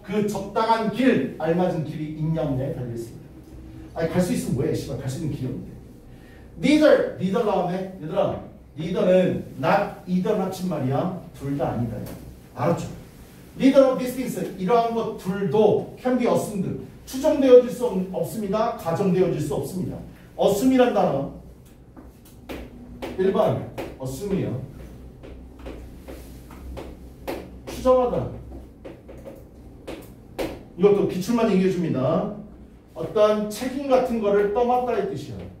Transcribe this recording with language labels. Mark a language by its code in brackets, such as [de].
[ko] 그 적당한 길, 알맞은 길이 있냐 없냐에 달려있습니다. 아니 갈 수 있으면 뭐해? 씨발 갈 수 있는 길이 없는데. Neither. Neither 나오네. 얘들아. Neither는 not either 합친 말이야. 둘 다 아니다. 알았죠? [en] Neither of these things, [ko] 이러한 것 둘도 [en] can be assumed. [ko] 추정되어질 수 없습니다. 가정되어질 수 없습니다. Assume이란 단어. 1번, assume이요. 추정하다. 이것도 기출만 얘기해줍니다. 어떤 책임 같은 거를 떠맡다의 뜻이요.